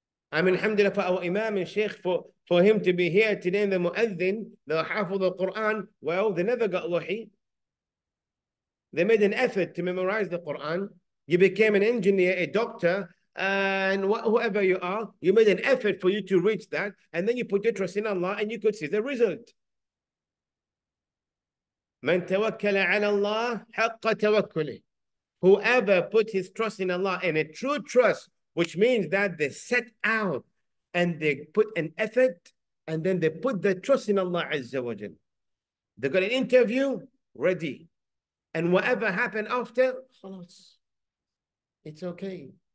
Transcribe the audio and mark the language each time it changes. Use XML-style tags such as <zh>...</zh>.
<en>I mean, alhamdulillah for our imam and sheikh, for him to be here today in the mu'adhin, the hafiz of the Quran, well, they never got wahi. They made an effort to memorize the Quran. You became an engineer, a doctor, and whoever you are, you made an effort for you to reach that, and then you put your trust in Allah and you could see the result.</en> <ar>من توكل على الله حق توكله.</ar> <en>Whoever put his trust in Allah in a true trust, which means that they set out and they put an effort and then they put their trust in Allah Azza wa Jal. They got an interview ready. And whatever happened after, خلاص, it's okay.</en>